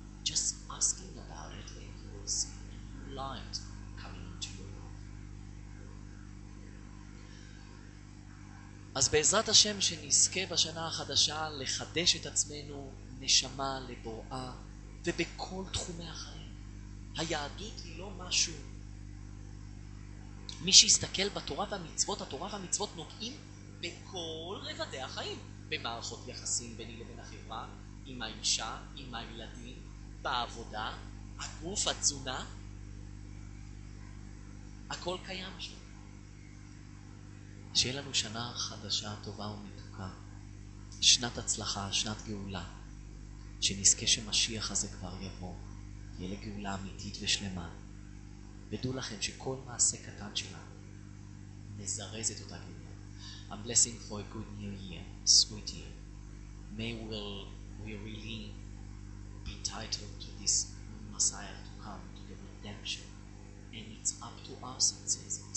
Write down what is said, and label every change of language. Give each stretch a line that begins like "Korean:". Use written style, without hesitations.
English: Just asking about it, and you will see a new light coming into your life.
Hebrew: אז בעזרת השם שנזכה בשנה החדשה לחדש את עצמנו נשמה לבוראה ובכל תחומי החיים. היהדות היא לא משהו. מי שיסתכל בתורה והמצוות, התורה והמצוות נוגעים בכל רבדי החיים. במערכות יחסים ביני לבין החברה, עם האישה, עם הילדים, בעבודה, הגוף, התזונה. הכל קיים שם. שיהיה לנו שנה חדשה, טובה ומתוקה. שנת הצלחה, שנת גאולה. שנזכה שמשיח הזה כבר יבוא. יהיה לגאולה אמיתית ושלמה. ודעו לכם שכל מעשה קטן שלנו מזרז את אותה גאולה.
English: A blessing for a good new year, sweet year. May we really be titled to this Messiah to come to the redemption. And it's up to us, it says.